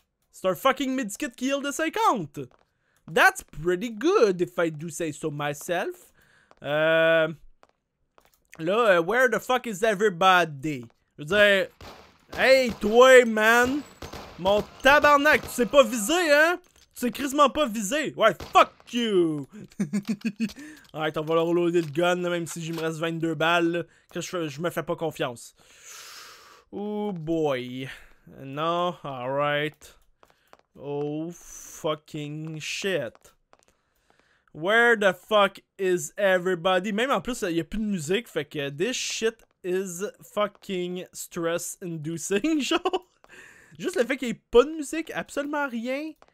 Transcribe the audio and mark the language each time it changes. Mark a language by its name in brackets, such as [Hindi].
[French] C'est un fucking medikit qui heal de 50! [English] That's pretty good, if I do say so myself. Where the fuck is everybody? [French] Je veux dire... Hey, toi, man! Mon tabarnak, tu sais pas viser, hein? Tu sais crissement pas visé! Ouais, [English] fuck you! [French] Alright, on va leur reloader le gun, là, même si j'y me reste 22 balles. Je me fais pas confiance. [English] Oh boy. Non, alright. Oh fucking shit. Where the fuck is everybody? [French] Même en plus, y'a plus de musique, fait que [English] this shit is fucking stress inducing, [French] genre. Juste le fait qu'il y ait pas de musique, absolument rien.